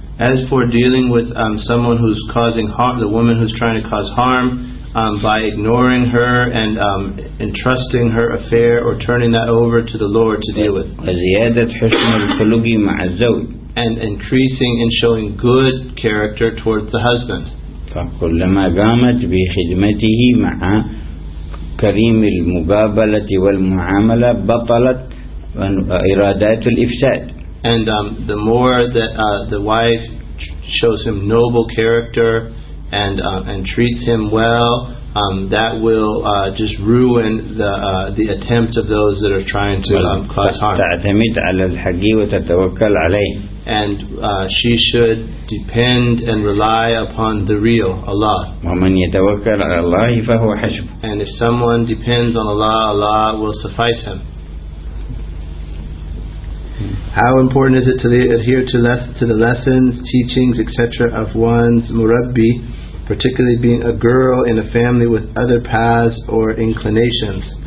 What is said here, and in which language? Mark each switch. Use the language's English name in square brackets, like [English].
[English] As for dealing with someone who's causing harm, the woman who's trying to cause harm, by ignoring her and entrusting her affair or turning that over to the Lord to deal with. [Arabic] وزيادة حسن الخلق مع الزوج. [English] And increasing and showing good character towards the husband. [Arabic] فكلما قامت بخدمته مع كريم المقابلة والمعاملة بطلت إرادات الإفساد. [English] And the more that the wife shows him noble character and treats him well, that will just ruin the attempt of those that are trying to cause harm. [Arabic] تعتمد على الحق وتتوكل عليه. [English] And she should depend and rely upon the real Allah. [Arabic] ومن يتوكل على الله فهو حسب. [English] And if someone depends on Allah, Allah will suffice him. How important is it to adhere to the lessons, teachings, etc. of one's murabbi, particularly being a girl in a family with other paths or inclinations?